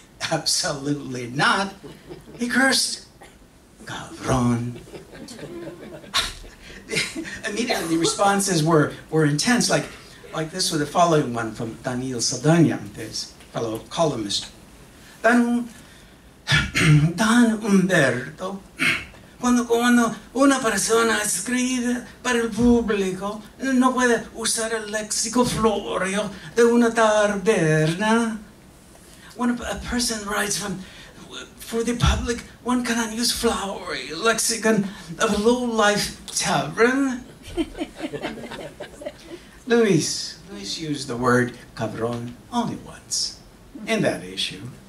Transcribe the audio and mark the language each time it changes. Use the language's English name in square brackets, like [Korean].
[English] Absolutely not. He cursed, cabrón. Immediately, the responses were intense, like this with the following one from Daniel Saldana, his fellow columnist. [Spanish] Don Humberto, cuando una persona escribe para el público, no puede usar el léxico florio de una taberna. [English] When a person writes for the public, one cannot use flowery lexicon of a low-life tavern. Luis used the word cabrón only once in that issue.